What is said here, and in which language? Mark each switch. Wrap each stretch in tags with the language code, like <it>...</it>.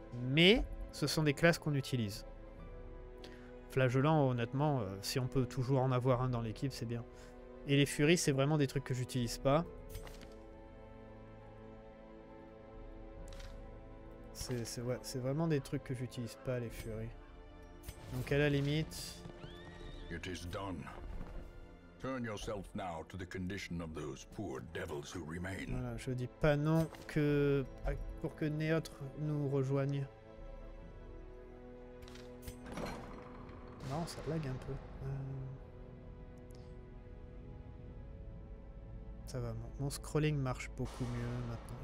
<fr>Mais ce sont des classes qu'on utilise. Flagellant, honnêtement, si on peut toujours en avoir un dans l'équipe, c'est bien. Et les furies, c'est vraiment des trucs que j'utilise pas. C'est vraiment des trucs que j'utilise pas, les furies. Donc à la limite.</fr> <en>It is done. Turn yourself now to the condition of those poor devils who remain.</en> <fr>Voilà, je dis pas non que pour que Neotre nous rejoigne. Non, ça lag un peu. Ça va, mon scrolling marche beaucoup mieux maintenant.</fr>